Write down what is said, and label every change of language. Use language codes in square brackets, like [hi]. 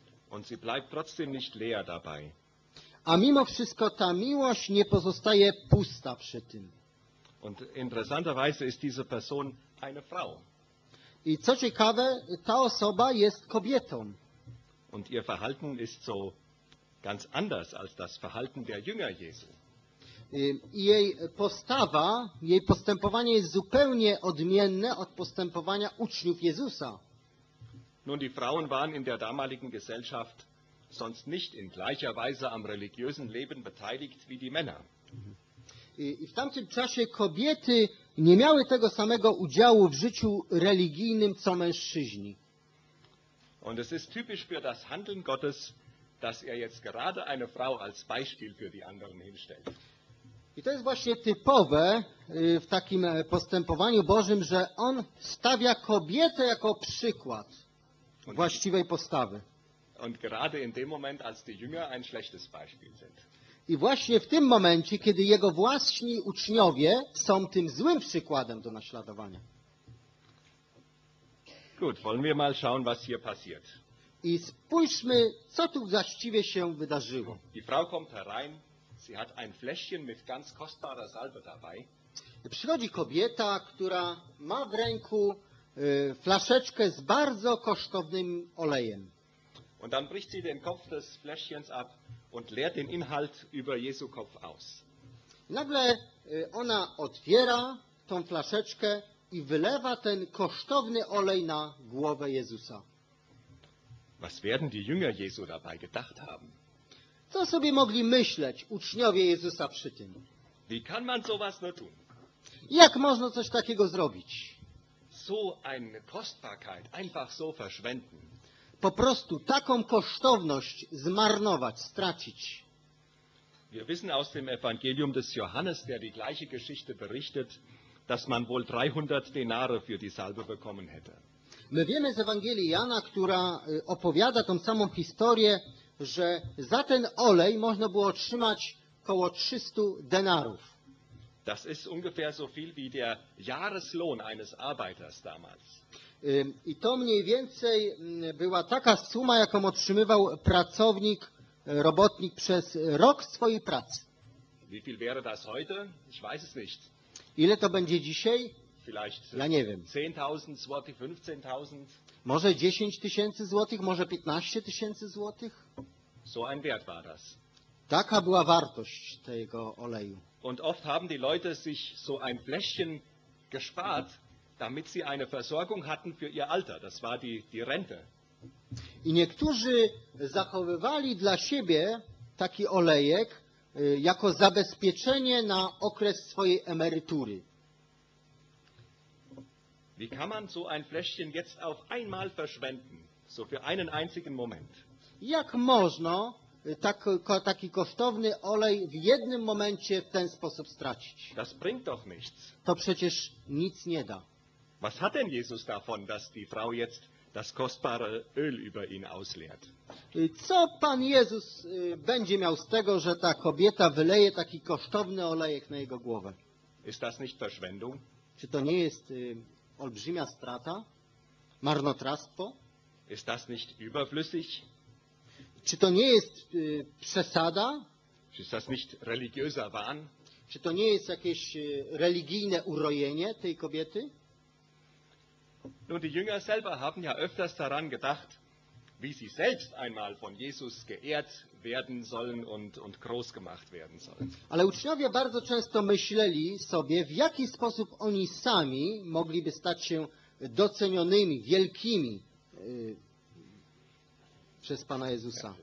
[de] Und sie bleibt trotzdem nicht leer dabei. [pl] A mimo wszystko ta miłość nie pozostaje pusta przy tym. [de] Und interessanterweise ist diese Person eine Frau. [pl] I co ciekawe, ta osoba jest kobietą. [de] Und ihr Verhalten ist so ganz anders als das Verhalten der Jünger Jesu. [pl] I jej postawa, jej postępowanie jest zupełnie odmienne od postępowania uczniów Jezusa. [de] Nun, die Frauen waren in der damaligen Gesellschaft sonst nicht in gleicher Weise am religiösen Leben beteiligt wie die Männer. [pl] I w tamtym czasie kobiety nie miały tego samego udziału w życiu religijnym, co mężczyźni. [de] Und es ist typisch für das Handeln Gottes, dass jetzt gerade eine Frau als Beispiel für die anderen hinstellt. [pl] I to jest właśnie typowe w takim postępowaniu Bożym, że on stawia kobietę jako przykład właściwej postawy. [de] Und gerade in dem Moment, als die Jünger ein schlechtes Beispiel sind. [pl] I właśnie w tym momencie, kiedy jego własni uczniowie są tym złym przykładem do naśladowania. [de] Gut, wollen wir mal schauen, was hier passiert. [pl] I spójrzmy, co tu właściwie się wydarzyło. [de] Die Frau kommt herein, sie hat ein Fläschchen mit ganz kostbarer Salbe dabei. [pl] Przychodzi kobieta, która ma w ręku flaszeczkę z bardzo kosztownym olejem. [de] Und dann bricht sie den Kopf des Fläschchens ab und leert den Inhalt über Jesu Kopf aus. [pl] Nagle ona otwiera tą flaszeczkę i wylewa ten kosztowny olej na głowę Jezusa. [de] Was werden die Jünger Jesu dabei gedacht haben? [pl] Co sobie mogli myśleć uczniowie Jezusa przy tym? [de] Wie kann man sowas nur tun? [pl] Jak można coś takiego zrobić? [de] So eine Kostbarkeit einfach so verschwenden. [pl] Po prostu taką kosztowność zmarnować, stracić. [de] Wir wissen aus dem Evangelium des Johannes, der die gleiche Geschichte berichtet, dass man wohl 300 Denare für die Salbe bekommen hätte. [pl] My wiemy z Ewangelii Jana, która opowiada tą samą historię, że za ten olej można było otrzymać około 300 denarów. [de] Das ist ungefähr so viel wie der Jahreslohn eines Arbeiters damals. [pl] I to mniej więcej była taka suma, jaką otrzymywał pracownik, robotnik przez rok swojej pracy. [de] Wie viel wäre das heute? Ich weiß es nicht. [pl] Ile to będzie dzisiaj? [de] Vielleicht [pl] ja nie wiem. 10.000 złotych, 15.000. Może 10 tysięcy złotych, może 15 tysięcy złotych? [de] So ein Wert war das. [pl] Taka była wartość tego oleju. [de] Und oft haben die Leute sich so ein Fläschchen gespart, damit sie eine Versorgung hatten für ihr Alter. Das war die Rente. [pl] I niektórzy zachowywali dla siebie taki olejek jako zabezpieczenie na okres swojej emerytury. [de] Wie kann man so ein Fläschchen jetzt auf einmal verschwenden? So für einen einzigen Moment. [pl] Jak można taki kosztowny olej w jednym momencie w ten sposób stracić? [de] Das bringt doch nichts. [pl] To przecież nic nie da. [de] Was hat denn Jesus davon, dass die Frau jetzt das kostbare Öl über ihn ausleert? [pl] Co Pan Jezus będzie miał z tego, że ta kobieta wyleje taki kosztowny olejek na jego głowę? [de] Ist das nicht Verschwendung? [pl] Czy to nie jest olbrzymia strata? Marnotrawstwo? [de] Ist das nicht überflüssig? [pl] Czy to nie jest przesada? [de] Ist das nicht religiöser Wahn? [pl] Czy to nie jest jakieś religijne urojenie tej kobiety? [de] Nun, die Jünger selber haben ja öfters daran gedacht, wie sie selbst einmal von Jesus geehrt werden sollen und groß gemacht werden sollen. [pl] Ale uczniowie bardzo często myśleli sobie, w jaki sposób oni sami mogliby stać się docenionymi, wielkimi przez Pana Jezusa.